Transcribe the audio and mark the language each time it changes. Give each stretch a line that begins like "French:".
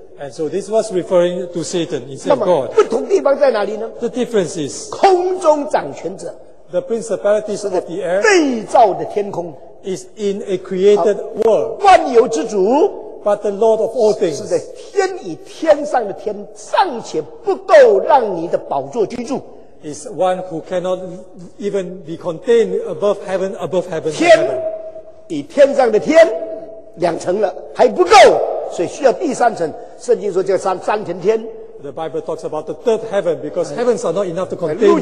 English: And so this was referring to Satan instead of God.
Chinese: 不同地方在哪里呢?
English: The difference is
Chinese: 空中掌权者,
English: the principalities of the air,
Chinese: 被造的天空,
English: is in a created world.
Chinese: 万有之主,
English: but the Lord of all things,
Chinese: 是在天与天上的天, 尚且不够让你的宝座居住,
English: is one who cannot even be contained above heaven, above heaven.
Chinese: 天与天上的天, 两层了, 还不够, 所以需要第三层, 圣经说叫三层天,
English: The Bible talks about the third heaven because heavens are not enough to contain.